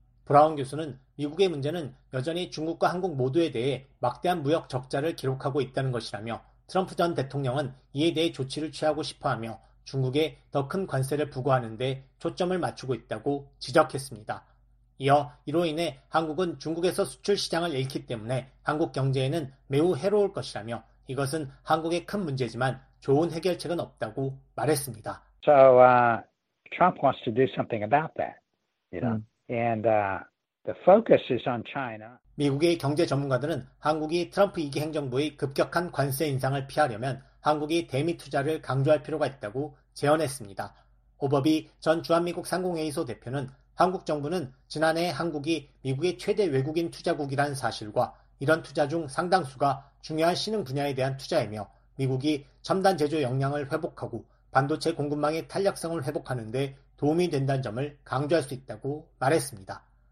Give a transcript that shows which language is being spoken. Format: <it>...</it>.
<ko>브라운 교수는 미국의 문제는 여전히 중국과 한국 모두에 대해 막대한 무역 적자를 기록하고 있다는 것이라며 트럼프 전 대통령은 이에 대해 조치를 취하고 싶어하며 중국에 더 큰 관세를 부과하는 데 초점을 맞추고 있다고 지적했습니다. 이어 이로 인해 한국은 중국에서 수출 시장을 잃기 때문에 한국 경제에는 매우 해로울 것이라며 이것은 한국의 큰 문제지만 좋은 해결책은 없다고 말했습니다.</ko> <en>So Trump wants to do something about that. And the focus is on China.</en> <ko>미국의 경제 전문가들은 한국이 트럼프 2기 행정부의 급격한 관세 인상을 피하려면 한국이 대미 투자를 강조할 필요가 있다고 제언했습니다. 오버비 전 주한미국 상공회의소 대표는 한국 정부는 지난해 한국이 미국의 최대 외국인 투자국이라는 사실과 이런 투자 중 상당수가 중요한 신흥 분야에 대한 투자이며 미국이 첨단 제조 역량을 회복하고 반도체 공급망의 탄력성을 회복하는 데 도움이 된다는 점을 강조할 수 있다고 말했습니다.</ko>